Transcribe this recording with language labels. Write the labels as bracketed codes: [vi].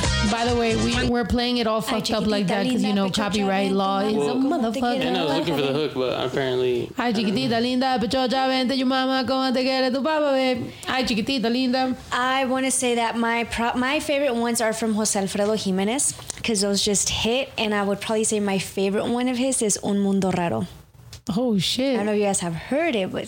[en] By the way, we're playing it all fucked up like that because, you know, copyright law is a motherfucker. And I was looking for the hook, but apparently... [es] Ay, chiquitita linda, pero ya vente tu mama, como te quiere tu papa, babe. Ay, chiquitita linda. [en] I want to say that my favorite ones are from José Alfredo Jiménez because those just hit. And I would probably say my favorite one of his is Un Mundo Raro. Oh, shit. I don't know if you guys have heard it, but